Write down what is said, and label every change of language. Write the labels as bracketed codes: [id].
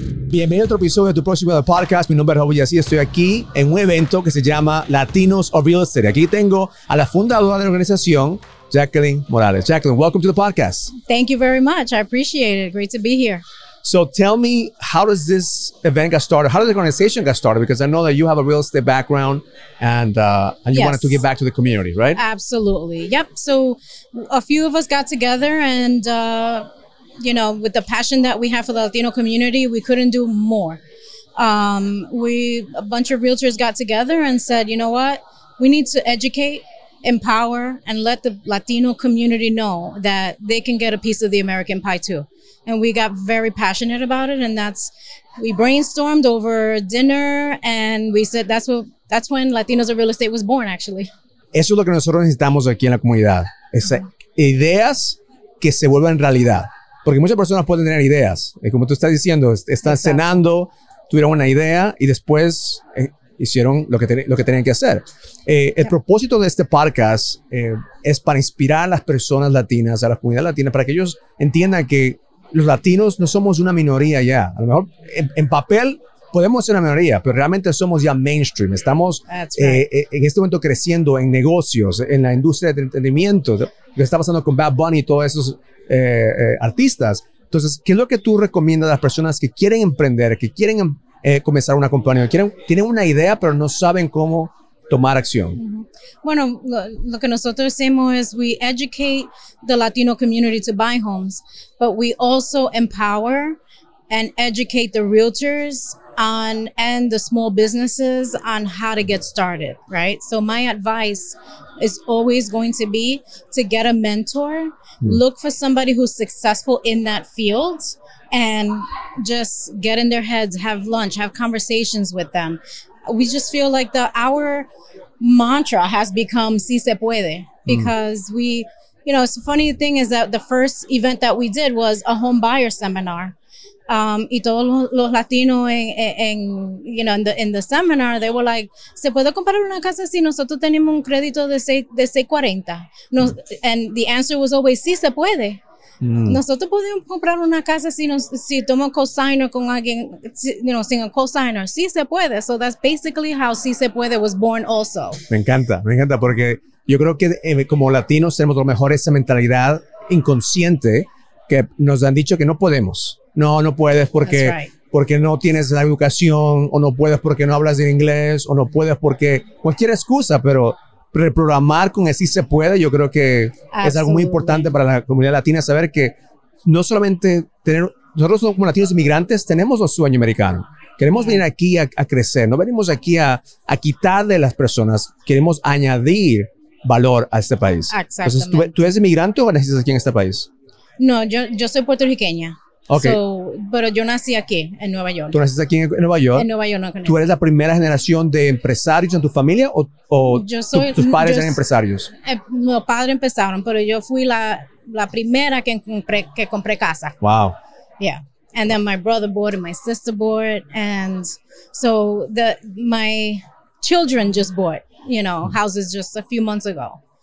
[es] Bienvenido a otro episodio de tu próximo podcast. Mi nombre es Raúl Villasí. Estoy aquí en un evento que se llama Latinos of Real Estate. Aquí tengo a la fundadora de la organización, Jacqueline Morales. [en] Jacqueline, welcome to the podcast. Thank you very much. I appreciate it. Great to be here. So tell me, how does this event get started? How does the organization get started? Because I know that you have a real estate background and you wanted to give back to the community, right? Absolutely. Yep. So a few of us got together and... you know, with the passion that we have for the Latino community, we couldn't do more. A bunch of realtors got together and said, you know what? We need to educate, empower, and let the Latino community know that they can get a piece of the American pie too. And we got very passionate about it. And we brainstormed over dinner and we said, that's when Latinos of Real Estate was born, actually. [es] Eso es lo que nosotros necesitamos aquí en la comunidad. Es ideas que se vuelvan realidad. Porque muchas personas pueden tener ideas. Como tú estás diciendo, están Exacto. cenando, tuvieron una idea y después hicieron lo que tenían que hacer. El propósito de este podcast es para inspirar a las personas latinas, a la comunidad latina, para que ellos entiendan que los latinos no somos una minoría ya. A lo mejor en papel podemos ser una minoría, pero realmente somos ya mainstream. Estamos en este momento creciendo en negocios, en la industria de entretenimiento. Lo que está pasando con Bad Bunny y todos esos... artistas. Entonces, ¿qué es lo que tú recomiendas a las personas que quieren emprender, que quieren comenzar una compañía, tienen una idea pero no saben cómo tomar acción? Mm-hmm. Bueno, lo que nosotros hacemos es [en] we educate the Latino community to buy homes, but we also empower and educate the realtors on and the small businesses on how to get started, right? So my advice is always going to be to get a mentor, look for somebody who's successful in that field and just get in their heads, have lunch, have conversations with them. We just feel like our mantra has become [es] si se puede [en] because we, you know, it's a funny thing is that the first event that we did was a home buyer seminar. [es] Y todos los latinos en [en] the seminar, they were like, [es] ¿se puede comprar una casa si nosotros tenemos un crédito de 640? [en] And the answer was always, [es] sí, se puede. Nosotros podemos comprar una casa si tomo cosigner con alguien, sin un cosigner. Sí, se puede. [en] So that's basically how sí se puede was born also. [es] Me encanta porque yo creo que como latinos tenemos lo mejor esa mentalidad inconsciente que nos han dicho que no podemos. No puedes porque no tienes la educación, o no puedes porque no hablas en inglés, o no puedes porque cualquier excusa, pero reprogramar con el sí se puede, yo creo que Absolutely. Es algo muy importante para la comunidad latina, saber que no solamente nosotros como latinos inmigrantes tenemos un sueño americano. Queremos venir aquí a crecer, no venimos aquí a quitar de las personas, queremos añadir valor a este país. Entonces, ¿tú eres inmigrante o naciste aquí en este país? No, yo soy puertorriqueña. Okay. Pero yo nací aquí, en Nueva York. ¿Tú naciste aquí en Nueva York? En Nueva York, no. ¿Tú eres la primera generación de empresarios en tu familia tus padres eran empresarios? Mis padres empezaron, pero yo fui la primera que compré casa. [en] Wow. Yeah. And then my brother bought and my sister bought. And so my children just bought, houses just a few months ago.